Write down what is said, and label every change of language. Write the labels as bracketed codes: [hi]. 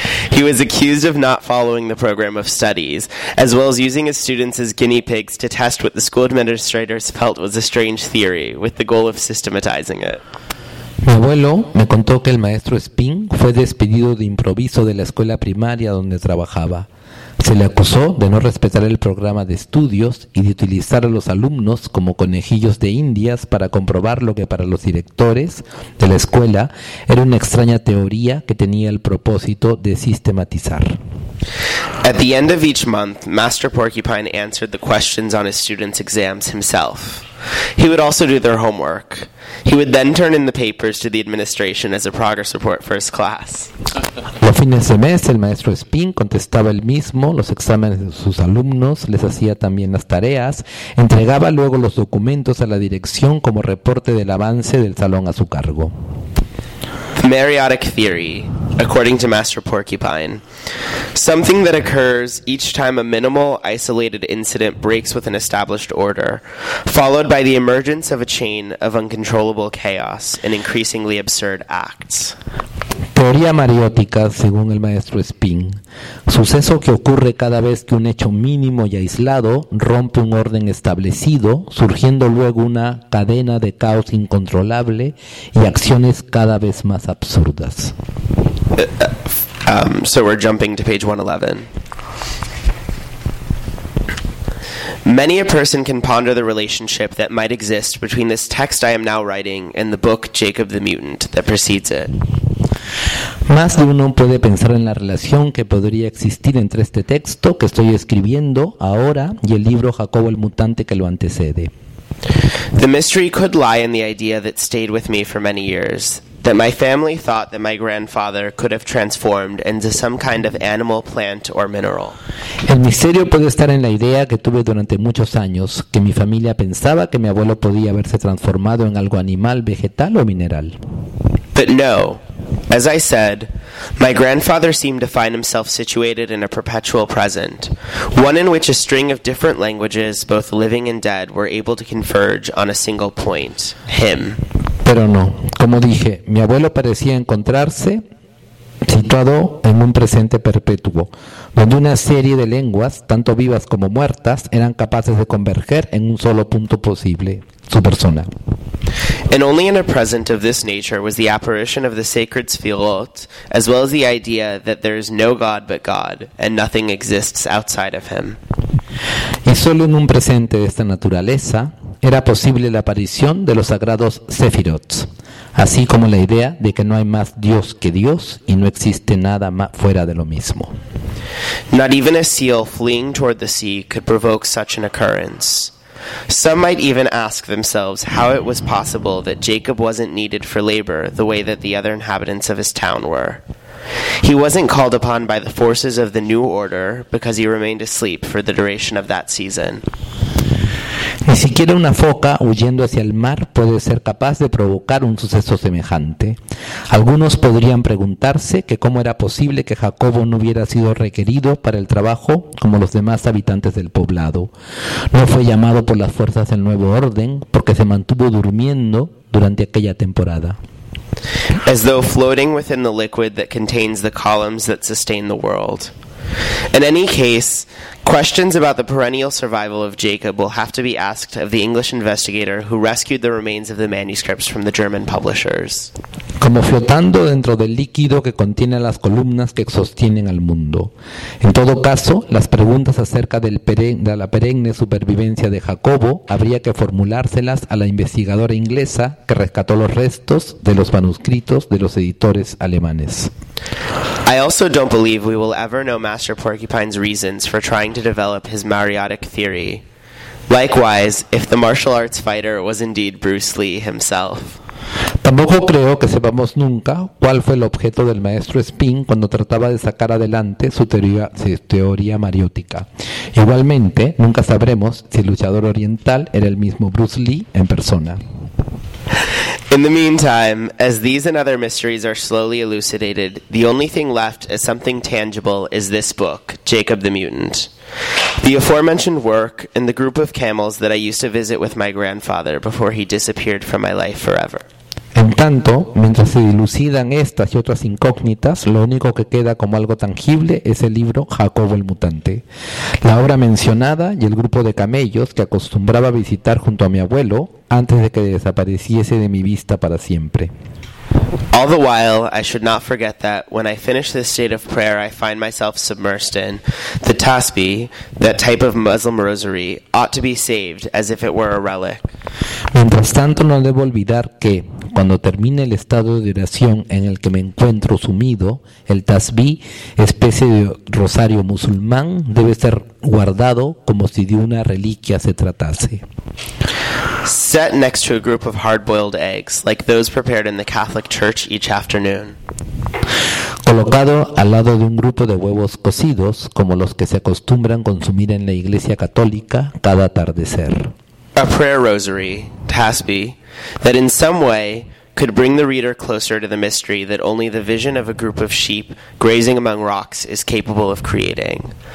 [en] He was accused of not following the program of studies, as well as using his students as guinea pigs to test what the school administrators felt was a strange theory, with the goal of systematizing it. [es] Mi abuelo me contó que el maestro Spin fue despedido de improviso de la escuela primaria donde trabajaba. Se le acusó de no respetar el programa de estudios y de utilizar a los alumnos como conejillos de indias para comprobar lo que para los directores de la escuela era una extraña teoría que tenía el propósito de sistematizar. [en] At the end of each month, Master Porcupine answered the questions on his students' exams himself. He would also do their homework. He would then turn in the papers to the administration as a progress report for his class. [es] Los fines de mes, el maestro Spin contestaba él mismo los exámenes de sus alumnos, les hacía también las tareas, entregaba luego los documentos a la dirección como reporte del avance del salón a su cargo. [en] The meriotic theory, according to Master Porcupine, something that occurs each time a minimal, isolated incident breaks with an established order, followed by the emergence of a chain of uncontrollable chaos and increasingly absurd acts. [es] Teoría mariótica, según el maestro Spin, suceso que ocurre cada vez que un hecho mínimo y aislado rompe un orden establecido, surgiendo luego una cadena de caos incontrolable y acciones cada vez más absurdas. [en] So we're jumping to page 111. Many a person can ponder the relationship that might exist between this text I am now writing and the book Jacob the Mutant that precedes it. [es] Más de uno puede pensar en la relación que podría existir entre este texto que estoy escribiendo ahora y el libro Jacobo el Mutante que lo antecede. [en] The mystery could lie in the idea that stayed with me for many years, that my family thought that my grandfather could have transformed into some kind of animal, plant, or mineral. [es] El misterio puede estar en la idea que tuve durante muchos años, que mi familia pensaba que mi abuelo podía haberse transformado en algo animal, vegetal, o mineral. [en] But no. As I said, my grandfather seemed to find himself situated in a perpetual present, one in which a string of different languages, both living and dead, were able to converge on a single point, him. [es] Pero no. Como dije, mi abuelo parecía encontrarse situado en un presente perpetuo, donde una serie de lenguas, tanto vivas como muertas, eran capaces de converger en un solo punto posible, su persona. [en] And only in a present of this nature was the apparition of the sacred sefirot, as well as the idea that there is no God but God, and nothing exists outside of him. [es] Y solo en un presente de esta naturaleza era posible la aparición de los sagrados sefirot, así como la idea de que no hay más Dios que Dios y no existe nada más fuera de lo mismo. [en] Not even a seal fleeing toward the sea could provoke such an occurrence. Some might even ask themselves how it was possible that Jacob wasn't needed for labor the way that the other inhabitants of his town were. He wasn't called upon by the forces of the new order because he remained asleep for the duration of that season. [es] Ni siquiera una foca huyendo hacia el mar puede ser capaz de provocar un suceso semejante. Algunos podrían preguntarse que cómo era posible que Jacobo no hubiera sido requerido para el trabajo como los demás habitantes del poblado. No fue llamado por las fuerzas del nuevo orden porque se mantuvo durmiendo durante aquella temporada. [en] As though floating within the liquid that contains the columns that sustain the world. In any case, questions about the perennial survival of Jacob will have to be asked of the English investigator who rescued the remains of the manuscripts from the German publishers. [es] Como flotando dentro del líquido que contiene las columnas que sostienen al mundo. En todo caso, las preguntas acerca de la perenne supervivencia de Jacobo habría que formulárselas a la investigadora inglesa que rescató los restos de los manuscritos de los editores alemanes. [en] I also don't believe we will ever know Master Porcupine's reasons for trying to develop his Mariotic theory. Likewise, if the martial arts fighter was indeed Bruce Lee himself. [es] Tampoco creo que sepamos nunca cuál fue el objeto del maestro Spin cuando trataba de sacar adelante su teoría mariótica. Igualmente, nunca sabremos si el luchador oriental era el mismo Bruce Lee en persona. [en] In the meantime, as these and other mysteries are slowly elucidated, the only thing left as something tangible is this book, Jacob the Mutant. The aforementioned work and the group of camels that I used to visit with my grandfather before he disappeared from my life forever. [es] En tanto, mientras se dilucidan estas y otras incógnitas, lo único que queda como algo tangible es el libro Jacobo el Mutante. La obra mencionada y el grupo de camellos que acostumbraba a visitar junto a mi abuelo antes de que desapareciese de mi vista para siempre. [en] All the while, I should not forget that when I finish this state of prayer, I find myself submersed in the tasbih, that type of Muslim rosary, ought to be saved as if it were a relic. [es] Mientras tanto, no debo olvidar que cuando termine el estado de oración en el que me encuentro sumido, el tasbih, especie de rosario musulmán, debe ser guardado como si de una reliquia se tratase. [en] Set next to a group of hard-boiled eggs, like those prepared in the Catholic Church each afternoon. [es] Colocado al lado de un grupo de huevos cocidos, como los que se acostumbran consumir en la Iglesia Católica cada atardecer. [en] A prayer rosary, tasbih, that in some way could bring the reader closer to the mystery that only the vision of a group of sheep grazing among rocks is capable of creating.